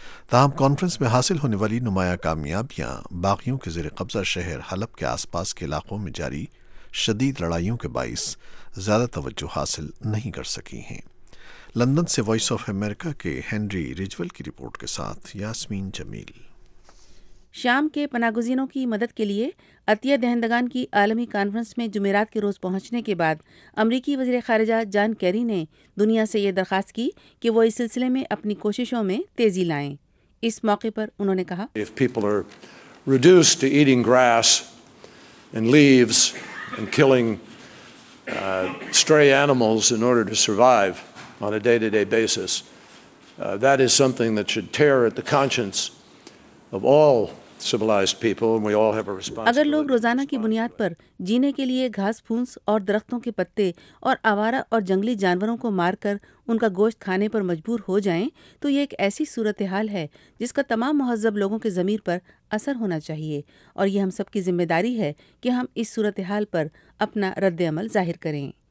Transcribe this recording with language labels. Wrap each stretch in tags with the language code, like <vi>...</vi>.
<ur>تاہم کانفرنس میں حاصل ہونے والی نمایاں کامیابیاں باغیوں کے زیر قبضہ شہر حلب کے آس پاس کے علاقوں میں جاری شدید لڑائیوں کے باعث زیادہ توجہ حاصل نہیں کر سکی ہیں۔ لندن سے وائس آف امریکہ کے ہنری رجول کی رپورٹ کے ساتھ یاسمین جمیل۔ شام کے پناہ گزینوں کی مدد کے لیے عطیہ دہندگان کی عالمی کانفرنس میں جمعرات کے روز پہنچنے کے بعد امریکی وزیر خارجہ جان کیری نے دنیا سے یہ درخواست کی کہ وہ اس سلسلے میں اپنی کوششوں میں تیزی لائیں۔ اس موقع پر انہوں نے کہا،</ur> <en>If people are reduced to eating grass and leaves and killing stray animals in order to survive on a day-to-day basis, that is something that should tear at the conscience of all</en> <ur>اگر لوگ روزانہ کی بنیاد پر جینے کے لیے گھاس پھونس اور درختوں کے پتے اور آوارہ اور جنگلی جانوروں کو مار کر ان کا گوشت کھانے پر مجبور ہو جائیں تو یہ ایک ایسی صورتحال ہے جس کا تمام مہذب لوگوں کے ضمیر پر اثر ہونا چاہیے، اور یہ ہم سب کی ذمہ داری ہے کہ ہم اس صورتحال پر اپنا رد عمل ظاہر کریں۔</ur>